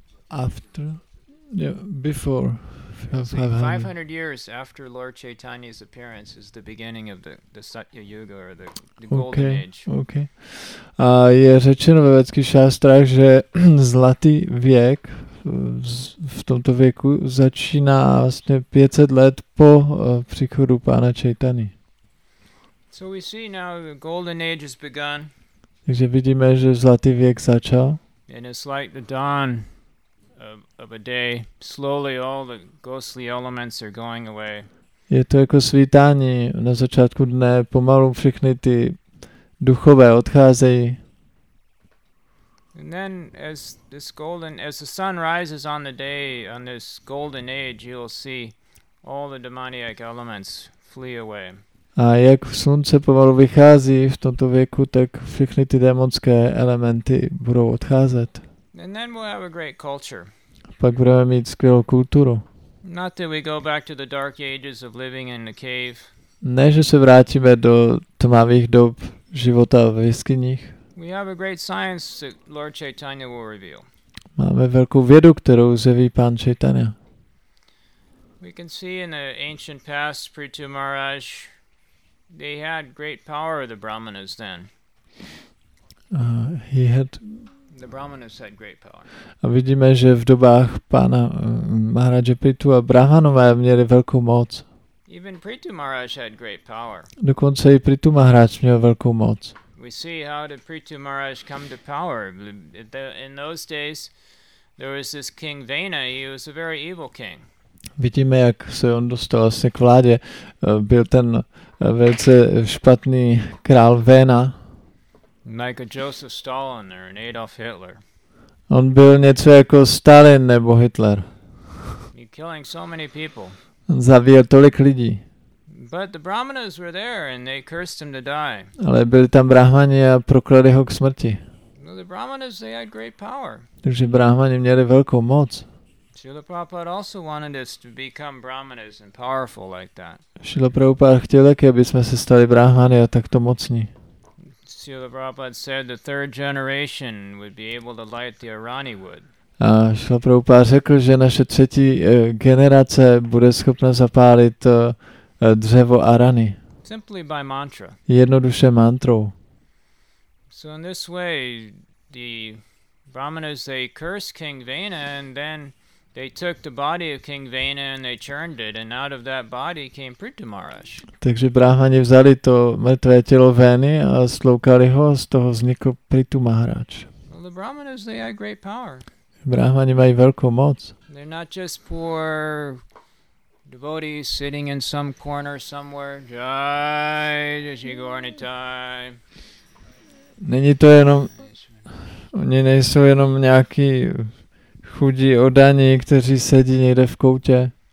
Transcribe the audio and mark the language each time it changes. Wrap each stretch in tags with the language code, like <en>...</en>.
<en>After? Yeah, before. 500 years after Lord Chaitanya's appearance is the beginning of the Satya Yuga or the golden age. Okay.</en> <cs>A je řečeno ve védských šástrách, že zlatý věk v tomto věku začíná vlastně 500 let po příchodu pána Chaitany.</cs> <en>So we see now the golden age has begun.</en> <cs>Takže vidíme, že zlatý věk začal.</cs> <en>And it's like the dawn of a day, slowly all the ghostly elements are going away.</en> <cs>Je to jako svítání na začátku dne, pomalu všechny ty duchové odcházejí.</cs> <en>And then as the sun rises on the day, on this golden age, you will see all the demoniac elements flee away.</en> <cs>A jak slunce pomalu vychází v tomto věku, tak všechny ty démonské elementy budou odcházet.</cs> <en>And then we'll have a great culture.</en> <cs>Pak budeme mít skvělou kulturu.</cs> <en>Not that we go back to the dark ages of living in the cave.</en> <cs>Ne, že se vrátíme do tmavých dob života v jeskyních.</cs> <en>We have a great science that Lord Chaitanya will reveal.</en> <cs>Máme velkou vědu, kterou zjeví pán Chaitanya.</cs> <en>We can see in the ancient past, Prithu Maharaj, they had great power, the Brahmanas then. The Brahmanas had great power.</en> <cs>A vidíme, že v dobách pána Maharaja Prithu a Brahmanové měli velkou moc.</cs> <en>Even Prithu Maharaj had great power.</en> <cs>Dokonce i Prithu Maharaj měl velkou moc.</cs> <en>We see how did Prithu Maharaj come to power. In those days there was this king Vena, he was a very evil king.</en> <cs>Vidíme, jak se on dostal vlastně k vládě. Byl ten velice špatný král Vena.</cs> <en>Like a Joseph Stalin or an Adolf Hitler.</en> <cs>On byl něco jako Stalin nebo Hitler.</cs> <en>He's killing so many people.</en> <cs>Zabíjel tolik lidí.</cs> <en>But the Brahmanas were there and they cursed him to die.</en> <cs>Ale byli tam Brahmani a proklali ho k smrti.</cs> <en>Well, the Brahmanas, they had great power.</en> <cs>Takže Brahmani měli velkou moc.</cs> <en>Srila Prabhupada also wanted us to become Brahmanas and powerful like that.</en> <cs>Srila Prabhupada chtěl taky, aby jsme se stali Brahmani a takto mocní.</cs> <en>Srila Prabhupada said the third generation would be able to light the Irani wood.</en> <cs>A Srila Prabhupada řekl, že naše třetí generace bude schopna zapálit dřevo Arani.</cs> <en>Simply by mantra.</en> <cs>Jednoduše mantrou.</cs> <en>So in this way, the Brahmanas, they cursed King Vena and then they took the body of King Vena and they churned it, and out of that body came Prithu Maharaj.</en> <cs>Takže Brahmani vzali to mrtvé tělo Veny a sloukali ho, z toho vznikl Prithu Maharaj.</cs> <en>Well, the Brahmanas, they had great power.</en> <cs>Brahmani mají velkou moc.</cs> <en>They're not just poor devotees sitting in some corner somewhere.</en> <sa>Jai, Jai Gornitai.</sa> <cs>Není to jenom, oni nejsou jenom nějaký chudí odaní, kteří sedí někde v koutě.</cs>